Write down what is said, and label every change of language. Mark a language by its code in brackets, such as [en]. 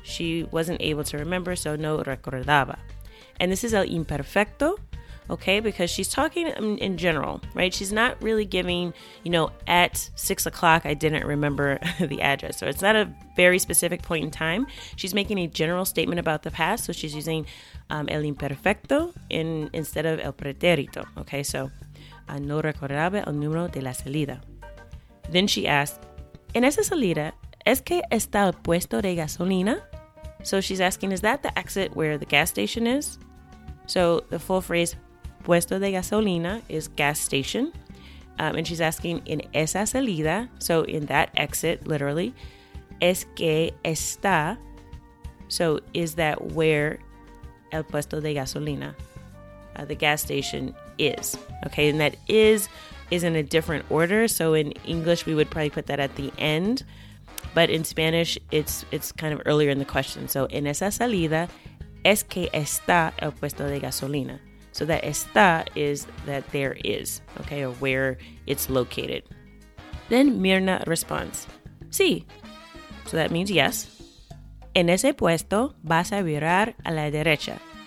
[en] She wasn't able to remember, so [es] no recordaba. [en] And this is el imperfecto, okay? Because she's talking in general, right? She's not really giving, you know, at 6 o'clock, I didn't remember the address. So it's not a very specific point in time. She's making a general statement about the past. So she's using el imperfecto instead of el pretérito. [es] Okay, so no recordaba el número de la salida. [en] Then she asked, [es] en esa salida, ¿es que está el puesto de gasolina? [en] So she's asking, is that the exit where the gas station is? So the full phrase, puesto de gasolina, is gas station. And she's asking, [es] en esa salida, [en] so in that exit, literally, [es] ¿es que está? [en] So is that where [es] el puesto de gasolina, [en] the gas station is. Okay, and that is in a different order. So in English, we would probably put that at the end. But in Spanish, it's kind of earlier in the question. [es] So en esa salida, es que está el puesto de gasolina. [en] So that está is that there is, okay, or where it's located. Then Mirna responds, sí. So that means yes. [es] En ese puesto vas a virar a la derecha.